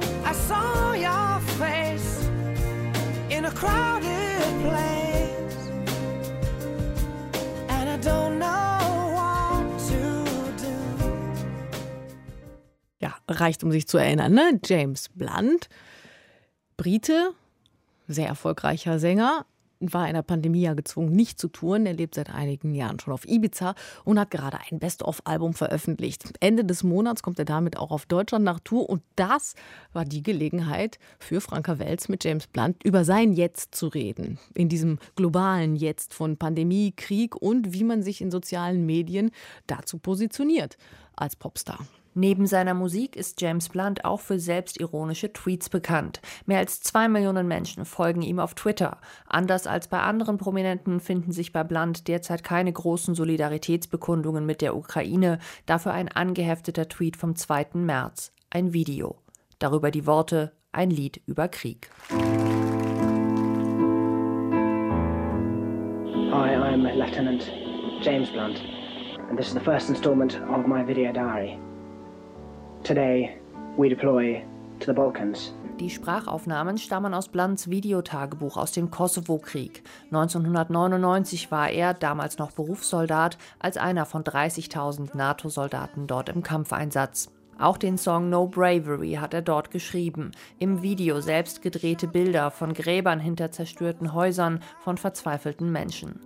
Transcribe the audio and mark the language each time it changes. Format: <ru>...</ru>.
<en>I saw your face in a crowded place, and I don't know what to do.</en> <de>Ja, reicht, um sich zu erinnern, ne? James Blunt, Brite, sehr erfolgreicher Sänger, war in der Pandemie ja gezwungen, nicht zu touren. Er lebt seit einigen Jahren schon auf Ibiza und hat gerade ein Best-of-Album veröffentlicht. Ende des Monats kommt er damit auch auf Deutschland nach Tour. Und das war die Gelegenheit für Franka Wels, mit James Blunt über sein Jetzt zu reden. In diesem globalen Jetzt von Pandemie, Krieg und wie man sich in sozialen Medien dazu positioniert als Popstar. Neben seiner Musik ist James Blunt auch für selbstironische Tweets bekannt. Mehr als 2 Millionen Menschen folgen ihm auf Twitter. Anders als bei anderen Prominenten finden sich bei Blunt derzeit keine großen Solidaritätsbekundungen mit der Ukraine. Dafür ein angehefteter Tweet vom 2. März. Ein Video. Darüber die Worte: Ein Lied über Krieg.</de> <en>Hi, I'm Lieutenant James Blunt. And this is the first installment of my video diary. Today we deploy to the Balkans.</en> <de>Die Sprachaufnahmen stammen aus Blunts Videotagebuch aus dem Kosovo-Krieg. 1999 war er, damals noch Berufssoldat, als einer von 30.000 NATO-Soldaten dort im Kampfeinsatz. Auch den Song No Bravery hat er dort geschrieben. Im Video selbst gedrehte Bilder von Gräbern hinter zerstörten Häusern, von verzweifelten Menschen.</de>